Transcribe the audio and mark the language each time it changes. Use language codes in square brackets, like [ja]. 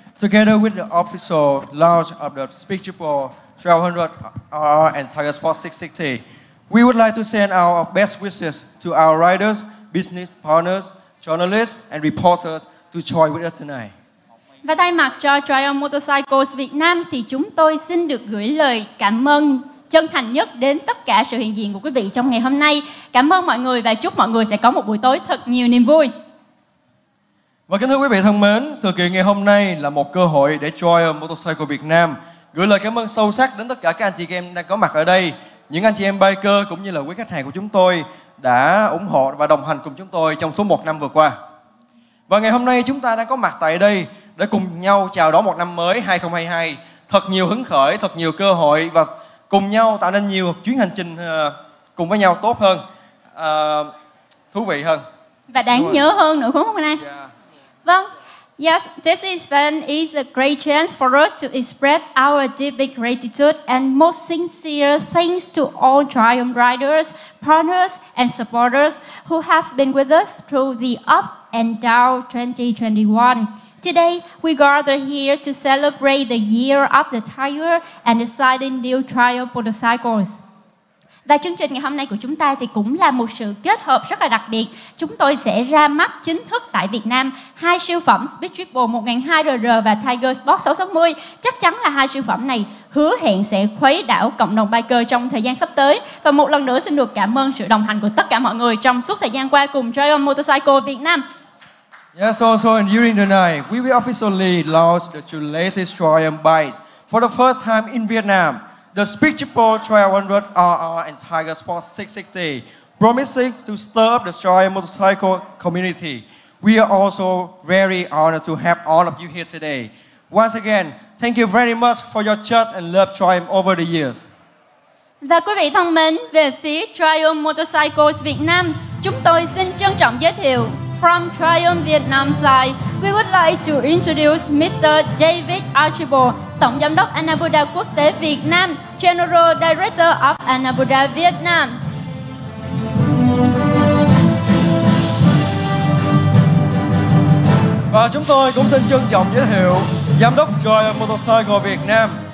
[en] Together with the official launch of the Speed Triple 1200R and Tiger Sport 660, we would like to send our best wishes to our riders, business partners, journalists and reporters to join with us tonight. [vi] Và thay mặt cho Trium Motorcycles Việt Nam thì chúng tôi xin được gửi lời cảm ơn chân thành nhất đến tất cả sự hiện diện của quý vị trong ngày hôm nay. Cảm ơn mọi người và chúc mọi người sẽ có một buổi tối thật nhiều niềm vui. Và kính thưa quý vị thân mến, sự kiện ngày hôm nay là một cơ hội để Trium Motorcycle Việt Nam gửi lời cảm ơn sâu sắc đến tất cả các anh chị em đang có mặt ở đây, những anh chị em biker cũng như là quý khách hàng của chúng tôi đã ủng hộ và đồng hành cùng chúng tôi trong suốt một năm vừa qua. Và ngày hôm nay chúng ta đang có mặt tại đây để cùng nhau chào đón một năm mới 2022 thật nhiều hứng khởi, thật nhiều cơ hội và cùng nhau tạo nên nhiều chuyến hành trình cùng với nhau tốt hơn, thú vị hơn. Và đáng nhớ hơn nữa đúng không anh? [en] Yeah. Vâng, yes, this event is a great chance for us to express our deep gratitude and most sincere thanks to all Trium riders, partners and supporters who have been with us through the up and down 2021. Today, we gather here to celebrate the year of the tire and exciting new Trium motorcycles. [vi] Và chương trình ngày hôm nay của chúng ta thì cũng là một sự kết hợp rất là đặc biệt. Chúng tôi sẽ ra mắt chính thức tại Việt Nam hai siêu phẩm Speed Triple 1200R và Tiger Sport 660. Chắc chắn là hai siêu phẩm này hứa hẹn sẽ khuấy đảo cộng đồng biker trong thời gian sắp tới. Và một lần nữa xin được cảm ơn sự đồng hành của tất cả mọi người trong suốt thời gian qua cùng Trium Motorcycle Việt Nam. [en] Yes, also and during the night, we will officially launch the two latest Trium bikes for the first time in Vietnam. The Speed Triple 1200RR and Tiger Sport 660 promising to stir up the Trium motorcycle community. We are also very honored to have all of you here today. Once again, thank you very much for your trust and love Trium over the years. [vi] Và quý vị thân mến, về phía Trium Motorcycles Việt Nam, chúng tôi xin trân trọng giới thiệu. [en] From Trium Vietnam side, we would like to introduce Mr. [vi] David Archibald, Tổng Giám đốc Anabuddha Quốc tế Việt Nam, [en] General Director of [vi] Anabuddha Việt Nam. Và chúng tôi cũng xin trân trọng giới thiệu Giám đốc Trium Motorcycle Việt Nam.